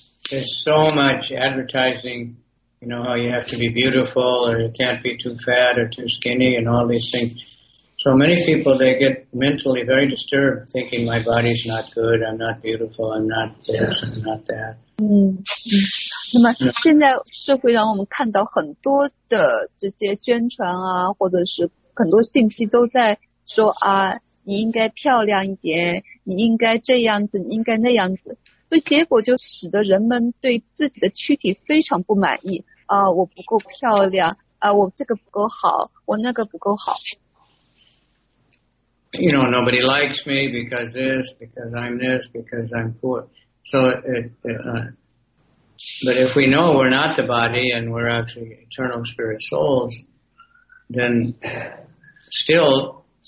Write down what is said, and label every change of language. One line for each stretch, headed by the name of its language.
English: There's so much advertising, how you have to be beautiful or you can't be too fat or too skinny and all these things. So many people, they get mentally very disturbed thinking my body's not good, I'm not beautiful, I'm not this, I'm not that.
Chinese: 那么现在社会让我们看到很多的这些宣传啊，或者是很多信息都在说啊，你应该漂亮一点，你应该这样子，你应该那样子。所以结果就使得人们对自己的躯体非常不满意我不够漂亮我这个不够好，我那个不够好。
English: Nobody likes me because this, because I'm this, because I'm poor. So, but if we know we're not the body and we're actually eternal spirit souls, then still.